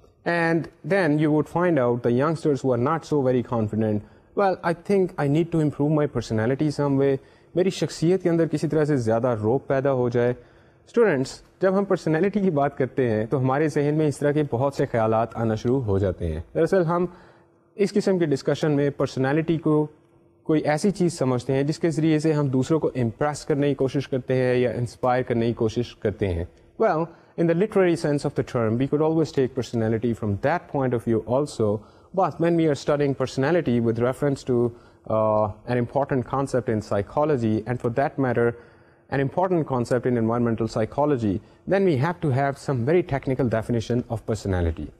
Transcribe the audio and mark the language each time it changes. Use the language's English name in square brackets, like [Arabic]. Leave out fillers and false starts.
[English] And then you would find out the youngsters who are not so very confident, well, I think I need to improve my personality some way. [Urdu] میری شخصیت کے اندر کسی طرح سے زیادہ روپ پیدا ہو جائے. اسٹوڈینٹس, جب ہم پرسنالٹی کی بات کرتے ہیں تو ہمارے ذہن میں اس طرح کے بہت سے خیالات آنا شروع ہو جاتے ہیں. دراصل ہم اس قسم کے ڈسکشن میں پرسنالٹی کو کوئی ایسی چیز سمجھتے ہیں جس کے ذریعے سے ہم دوسروں کو امپریس کرنے کی کوشش کرتے ہیں یا انسپائر کرنے کی کوشش کرتے ہیں. [English] Well, in the literary sense of the term, we could always take personality from that point of view also, but when we are studying personality with reference to an important concept in psychology, and for that matter an important concept in environmental psychology, then we have to have some very technical definition of personality.